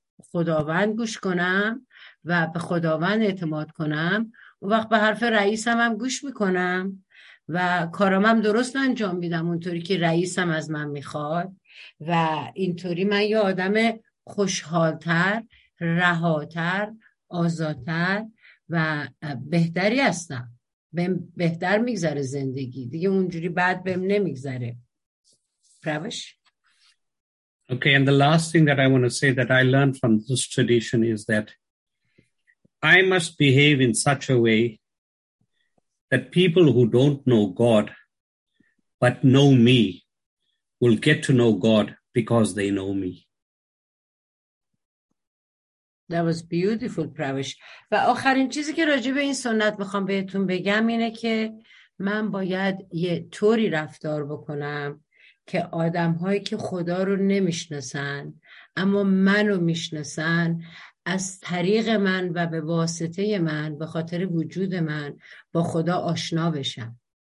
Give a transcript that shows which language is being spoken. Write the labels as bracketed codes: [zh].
[fa] خداوند گوش کنم و به خداوند اعتماد کنم اون وقت به حرف رئیسم هم گوش میکنم و کارم هم درست انجام میدم اونطوری که رئیسم از من میخواد و اینطوری من یه آدم خوشحالتر رهاتر آزادتر و بهتری هستم بهتر میگذره زندگی دیگه اونجوری بعد بهم نمیگذره پروش [en] Okay, and the last thing that I want to say that I learned from this tradition is that I must behave in such a way that people who don't know God but know me will get to know God because they know me. That was beautiful, Pravish. [fa] و آخرین چیزی که راجع به این سنت میخوام بهتون بگم اینه که من باید یه طوری رفتار بکنم که آدم هایی که خدا رو نمیشناسن اما منو میشناسن از طریق من و به واسطه من به خاطر وجود من با خدا آشنا بشن.